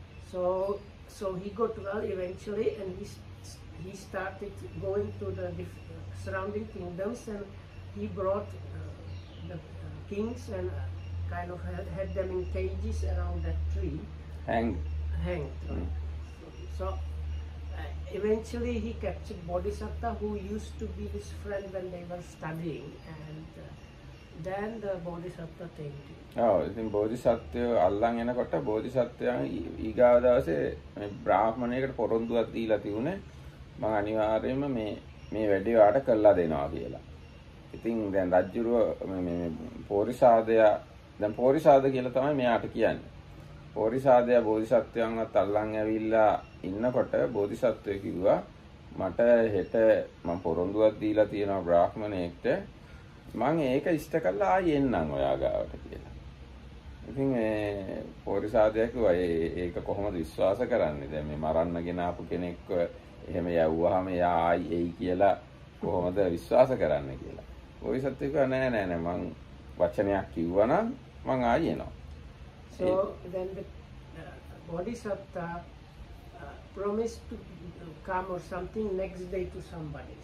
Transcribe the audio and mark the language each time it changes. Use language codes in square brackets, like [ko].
[en] So he got well eventually and he started going to the surrounding kingdoms and he brought the kings and kind of had them in cages around that tree. Hanged. So eventually he captured Bodhisatta, who used to be his friend when they were studying, and then the Bodhisatta tamed him. [si] Oh, ඉතින් බෝධිසත්වය අල්ලන් එනකොට බෝධිසත්වයන් ඊගාව දවසේ මේ බ්‍රාහ්මණයෙකුට පොරොන්දුවක් දීලා තිබුණේ මම අනිවාර්යයෙන්ම මේ වැඩේ වාට කරලා දෙනවා කියලා. ඉතින් දැන් රජුර මේ පෝරිසාදයා දැන් පෝරිසාද කියලා තමයි මෙයාට කියන්නේ. පෝරිසාදයා බෝධිසත්වයන්වත් අල්ලන් ඇවිල්ලා ඉන්නකොට බෝධිසත්වය කිව්වා මට හෙට මම පොරොන්දුවක් දීලා තියෙනවා බ්‍රාහ්මණයෙක්ට, මං ඒක ඉෂ්ට කරලා ආයි එන්නම් ඔයා ගාවට කියලා. ඉතින් ඒ පෝරිසාදයා කිව්වා ඒක කොහොමද විශ්වාස කරන්නේ, දැන් මේ මරන්න ගෙනාපු කෙනෙක්ව එහෙම යව්වහම එයා ආයි එයි කියලා කොහොමද විශ්වාස කරන්නේ කියලා. බෝධිසත්වය කිව්වා නෑ නෑ නෑ, මං වචනයක් කිව්වනම් මං ආයි එනවා. [en] So then the Bodhisatta promised to come or something next day to somebody.